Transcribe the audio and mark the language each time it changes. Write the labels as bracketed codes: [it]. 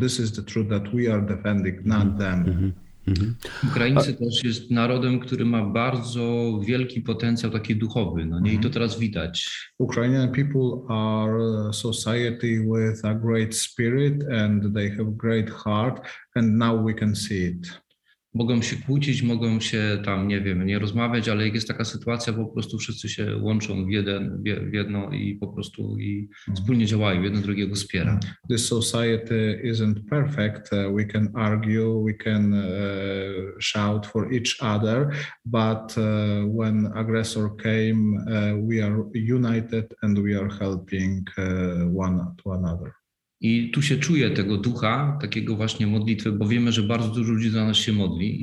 [en] This is the truth that we are defending, not them. [pl] Ukraińcy też jest narodem, który ma bardzo wielki potencjał taki duchowy, no nie? I to teraz widać. [en] Ukrainian people are a society with a great spirit and they have great heart, and now we can see it. [pl] Mogą się kłócić, mogą się tam, nie wiem, nie rozmawiać, ale jak jest taka sytuacja, po prostu wszyscy się łączą w jedno i po prostu i wspólnie działają, jedno drugiego wspiera. [en] This society isn't perfect. We can argue, we can shout for each other, but when aggressor came, we are united and we are helping one to another. [pl] I tu się czuje tego ducha, takiego właśnie modlitwy, bo wiemy, że bardzo dużo ludzi za nas się modli.